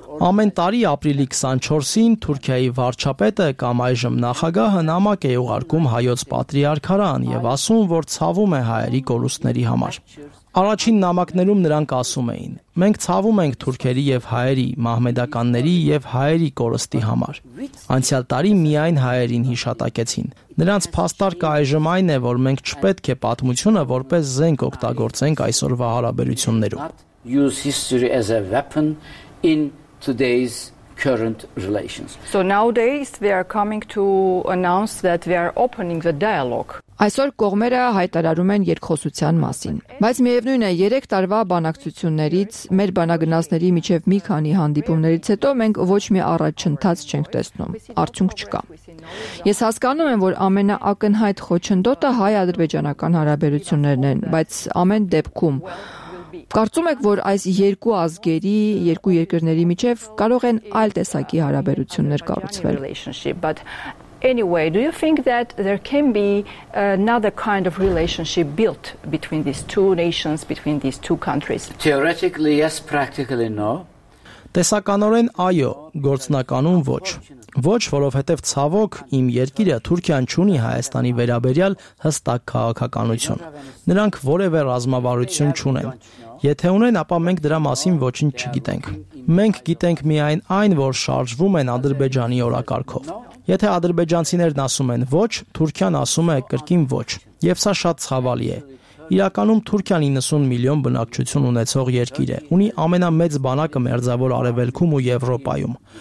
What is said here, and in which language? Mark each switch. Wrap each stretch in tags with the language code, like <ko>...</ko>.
<hy>Ամեն տարի ապրիլի 24-ին Թուրքիայի վարչապետը կամ այժմ նախագահը նամակ է ուղարկում հայոց պատրիարքարան եւ ասում, որ ցավում է հայերի կորուստների համար։ Առաջին նամակներում նրանք ասում էին. «Մենք ցավում ենք թուրքերի եւ հայերի, մահմեդականների եւ հայերի կորստի համար»։ Անցյալ տարի միայն հայերին հիշատակեցին։ Նրանց փաստարկը այժմ այն է, որ մենք չպետք է պատմությունը որպես զենք օգտագործենք այսօրվա հարաբերություններում։</hy> <en>Use history as a weapon in today's current relations. So nowadays we are coming to announce that we are opening the dialogue.</en> <hy>Այսօր կողմերը հայտարարում են երկխոսության մասին, բայց միևնույն է, 3 տարվա բանակցություններից, մեր բանագնացների միջև մի քանի հանդիպումներից հետո մենք ոչ մի առաջընթաց չենք տեսնում, արդյունք չկա։ Ես հասկանում եմ, որ ամենաակնհայտ խոչընդոտը հայ-ադրբեջանական հարաբերություններն են, բայց ամեն դեպքում կարծում եք, որ այս երկու ազգերի, երկու երկրների միջև կարող են այլ տեսակի հարաբերություններ կառուցվել։</hy> <en>Anyway, do you think that there can be another kind of relationship built between these two nations, between these two countries? Theoretically, yes, practically no.</en> <hy>Տեսականորեն այո, գործնականում ոչ։ Ոչ, որովհետև ցավոք իմ երկիրը Թուրքիան չունի Հայաստանի վերաբերյալ հստակ քաղաքականություն։ Նրանք որևէ ռազմավարություն չունեն։ Եթե ունեն, ապա մենք դրա մասին ոչինչ չգիտենք։ Մենք գիտենք միայն այն, որ շարժվում են Ադրբեջանի օրակարգով։ Եթե ադրբեջանցիներն ասում են ոչ, Թուրքիան ասում է կրկին ոչ, եւ սա շատ ցավալի է։ Իրականում Թուրքիան 90 միլիոն բնակչություն ունեցող երկիր է, ունի ամենամեծ բանակը մերձավոր արևելքում ու Եվրոպայում։</hy>